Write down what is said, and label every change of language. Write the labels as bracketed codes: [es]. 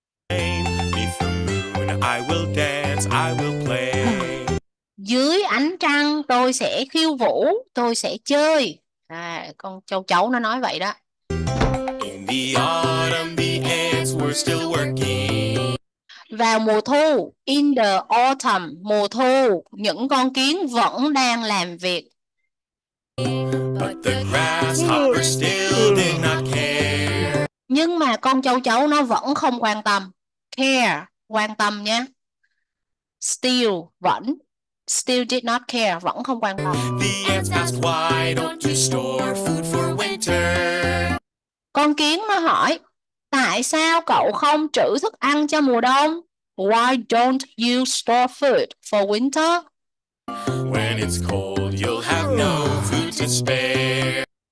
[en] Neath the moon, I will dance, I will play. [vi] Dưới ánh trăng tôi sẽ khiêu vũ, tôi sẽ chơi. À, con châu chấu nó nói vậy đó. [en] In the autumn, the ants were still working. [vi] Vào mùa thu, [en] in the autumn, [vi] mùa thu, những con kiến vẫn đang làm việc. [en] But the grasshopper still did not care. [vi] Nhưng mà con châu chấu nó vẫn không quan tâm. Care, quan tâm nhé. Still, vẫn. [en] Still did not care, [vi] vẫn không quan tâm. [en] The ants asked, why don't you store food for winter? [vi] Con kiến nó hỏi, tại sao cậu không trữ thức ăn cho mùa đông? [en] Why don't you store food for winter? When it's cold, you'll have no food to spare.